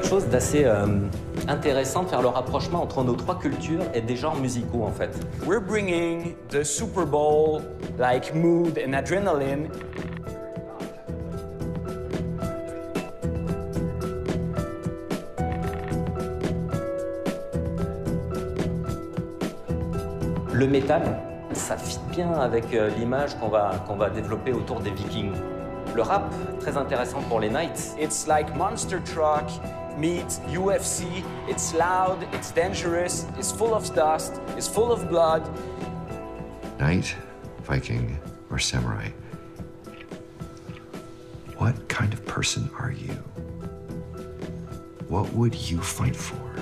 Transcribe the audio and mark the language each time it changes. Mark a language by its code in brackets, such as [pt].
[fr] D'assez intéressant de faire le rapprochement entre nos trois cultures et des genres musicaux en fait. [en] We're bringing the Super Bowl like mood and adrenaline. [fr] Le métal, ça fit bien avec l'image qu'on va développer autour des Vikings. Le rap, très intéressant pour les Knights. [en] It's like monster truck meets UFC, it's loud, it's dangerous, it's full of dust, it's full of blood. Knight, Viking, or samurai? What kind of person are you? What would you fight for?